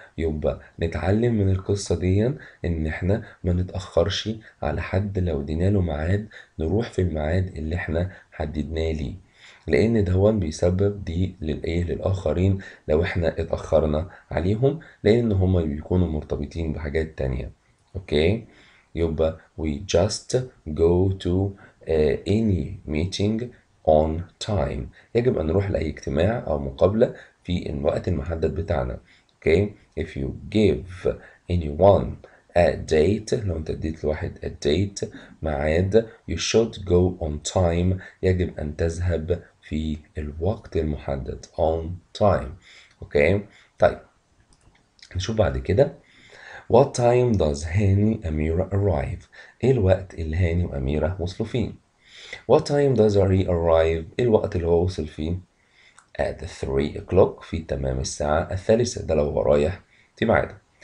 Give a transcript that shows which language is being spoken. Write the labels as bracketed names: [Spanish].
[Arabic] يبقى نتعلم من القصة دي ان احنا ما نتأخرش على حد، لو ادينا له ميعاد نروح في الميعاد اللي احنا حددناه ليه، لان ده بيسبب دي للايه للآخرين لو احنا اتأخرنا عليهم، لان هما بيكونوا مرتبطين بحاجات تانية. اوكي يبقى [English] we just go to any meeting on time، [Arabic] يجب أن نروح لأي اجتماع أو مقابلة في الوقت المحدد بتاعنا. [English] Okay، if you give anyone a date، [Arabic] لو أنت اديت لواحد [English] a date ميعاد، you should go on time، [Arabic] يجب أن تذهب في الوقت المحدد [English] on time. [Arabic] Okay طيب نشوف بعد كده. [English] What time does Hani Amira arrive؟ [Arabic] إيه الوقت اللي هاني وأميرة وصلوا فيه؟ [English] What time does he arrive؟ [Arabic] الوقت اللي هو وصل فيه؟ [English] At 3 o'clock، [Arabic] في تمام الساعة 3، ده لو هو رايح في ميعاده.